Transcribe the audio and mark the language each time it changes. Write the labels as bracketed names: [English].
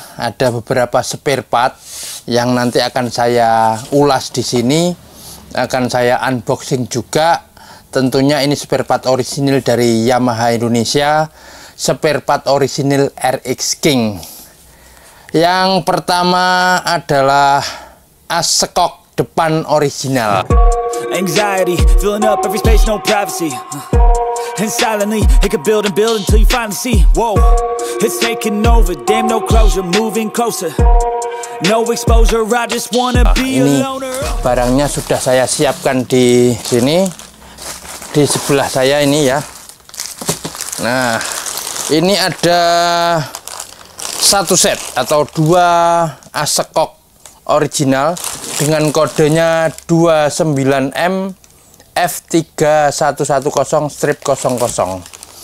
[Indonesian] Ada beberapa spare part yang nanti akan saya ulas di sini, akan saya unboxing juga. Tentunya ini spare part orisinil dari Yamaha Indonesia, spare part orisinil RX King. Yang pertama adalah as sekok depan orisinil. [English] Anxiety filling up every space, no privacy. And silently, it could build and build until you finally see. Whoa, it's taking over. Damn, no closure, moving closer. No exposure, I just wanna be a loner. [Indonesian] Ini barangnya sudah saya siapkan di sini, di sebelah saya ini ya. Nah, ini ada satu set atau dua asekok original dengan kodenya 29M F3110-00.